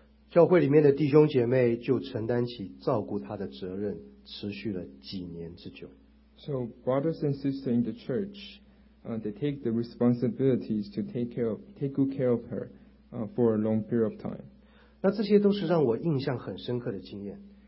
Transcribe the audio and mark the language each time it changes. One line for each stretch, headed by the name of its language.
Chinese: 教会里面的弟兄姐妹就承担起照顾她的责任，持续了几年之久。
English: So brothers and sisters in the church, they take the responsibilities to take good care of her for a long period of time.
Chinese: 那这些都是让我印象很深刻的经验。